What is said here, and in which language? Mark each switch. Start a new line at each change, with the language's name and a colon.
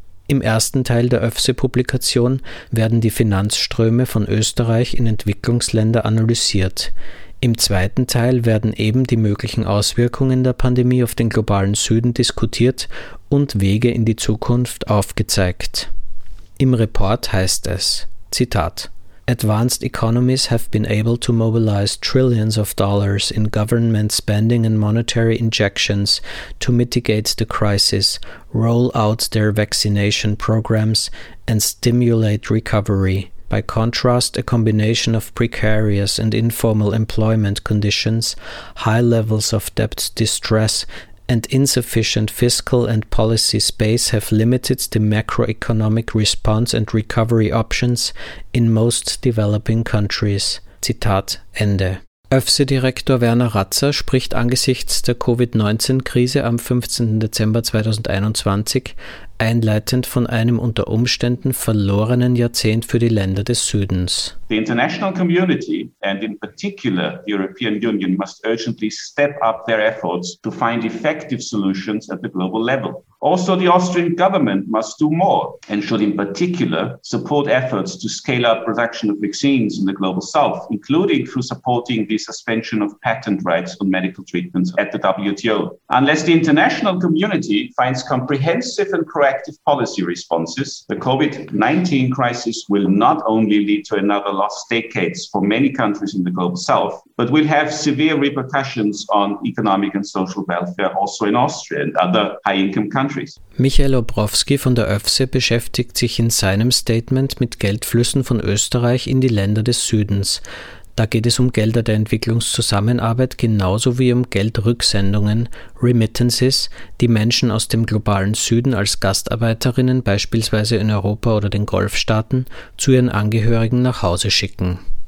German: Im ersten Teil der ÖFSE-Publikation werden die Finanzströme von Österreich in Entwicklungsländer analysiert. Im zweiten Teil werden eben die möglichen Auswirkungen der Pandemie auf den globalen Süden diskutiert und Wege in die Zukunft aufgezeigt. Im Report heißt es, Zitat:
English: Advanced economies have been able to mobilize trillions of dollars in government spending and monetary injections to mitigate the crisis, roll out their vaccination programs and stimulate recovery. By contrast, a combination of precarious and informal employment conditions, high levels of debt distress, and insufficient fiscal and policy space have limited the macroeconomic response and recovery options in most developing countries.
German: Zitat Ende. ÖFSE-Direktor Werner Ratzer spricht angesichts der COVID-19-Krise am 15. Dezember 2021 einleitend von einem unter Umständen verlorenen Jahrzehnt für die Länder des Südens.
English: The international community and in particular the European Union must urgently step up their efforts to find effective solutions at the global level. Also the Austrian government must do more and should in particular support efforts to scale up production of vaccines in the global south, including through supporting the suspension of patent rights on medical treatments at the WTO. Unless the international community finds comprehensive and proactive policy responses, the COVID-19 crisis will not only lead to another lost decades for many countries in the global south, but will have severe repercussions on economic and social welfare also in Austria and other high-income countries.
German: Michael Obrowski von der ÖFSE beschäftigt sich in seinem Statement mit Geldflüssen von Österreich in die Länder des Südens. Da geht es um Gelder der Entwicklungszusammenarbeit genauso wie um Geldrücksendungen, Remittances, die Menschen aus dem globalen Süden als Gastarbeiterinnen beispielsweise in Europa oder den Golfstaaten zu ihren Angehörigen nach Hause schicken.